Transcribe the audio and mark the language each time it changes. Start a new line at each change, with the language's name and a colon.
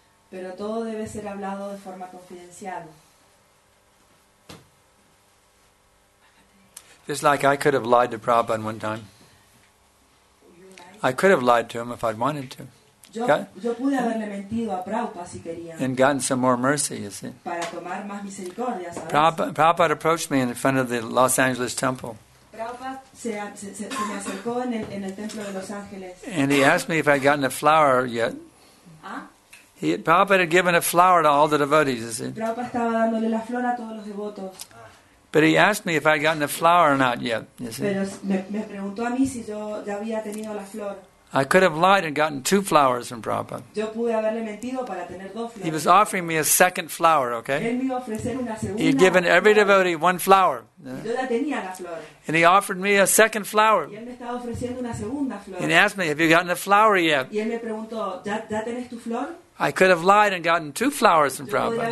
Spanish: Pero todo debe ser hablado de forma confidencial.
English: It's like I could have lied to Prabhupada one time. I could have lied to him if I'd wanted to.
Spanish: Yo pude haberle mentido a Prabhupada si quería.
English: And gotten some more mercy, you see.
Spanish: Para tomar más misericordia, ¿sabes?
English: Prabhupada approached me in front of the Los Angeles temple. And he asked me if I'd gotten a flower yet. Prabhupada had given a flower to all the devotees, you see.
Spanish: Prabhupada estaba dándole la flor a todos los devotos.
English: But he asked me if I'd gotten a flower or not yet, you see.
Spanish: Pero me preguntó a mí si yo ya había tenido la flor.
English: I could have lied and gotten two flowers from Prabhupada.
Spanish: Yo pude haberle mentido para tener dos flores.
English: He was offering me a second flower, okay?
Spanish: Él me iba a ofrecer una segunda.
English: He had given every devotee one flower.
Spanish: Yo ya tenía la flor.
English: And he offered me a second flower.
Spanish: Y él me estaba ofreciendo una segunda flor.
English: And he asked me, have you gotten a flower yet?
Spanish: Y él me preguntó, ¿Ya tenés tu flor?
English: I could have lied and gotten two flowers from Prabhupada.